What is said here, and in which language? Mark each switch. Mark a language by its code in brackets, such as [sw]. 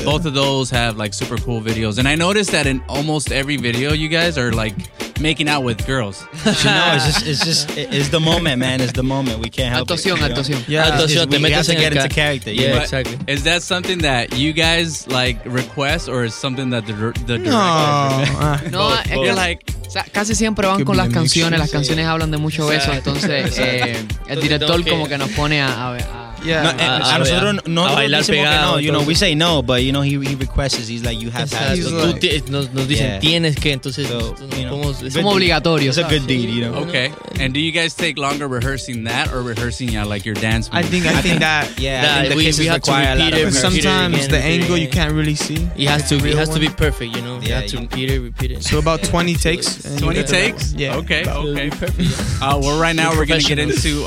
[en] both of those have like super cool videos, and I noticed that in almost every video you guys are like making out with girls. it's the moment, man. It's the moment. We can't help [es] actuación, [en] it. [es] Actuación. [en] Yeah, we have to get into character. Yeah, exactly. Is that something that you guys like request, or is something that the director? No, you're like. [es] O sea, casi siempre van con las canciones, las canciones hablan de mucho beso, entonces el director como que nos pone a bailar pegado. [en] No, you know, we say no, but you know, he requests, he's like, you have to. [es] Nos dicen, tienes que, entonces es como obligatorio. [en] It's a good deed, you know. Okay, and do you guys take longer rehearsing that or rehearsing, like your dance moves? I think the kisses require a lot of... Sometimes the angle you can't really see. It has to be perfect, you know. You have to repeat it. So about 20 takes. 20 takes? Yeah. Okay. We're going to get into...